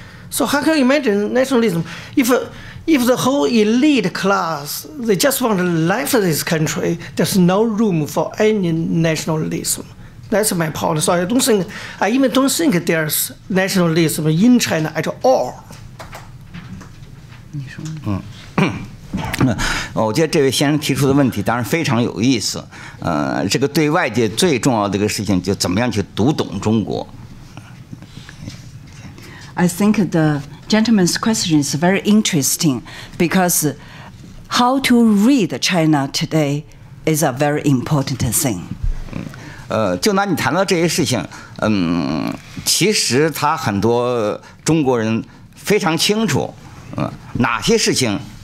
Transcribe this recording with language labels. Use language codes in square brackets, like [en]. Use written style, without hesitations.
[en] So how can you imagine nationalism? If the whole elite class, they just want to leave this country, there's no room for any nationalism. That's my point. So I don't think there's nationalism in China at all. [zh] 我觉得这位先生提出的问题当然非常有意思，这个对外界最重要的一个事情就怎么样去读懂中国。 [en] I think the gentleman's question is very interesting because how to read China today is a very important thing. [zh] 就拿你谈到这些事情，其实他很多中国人非常清楚，哪些事情。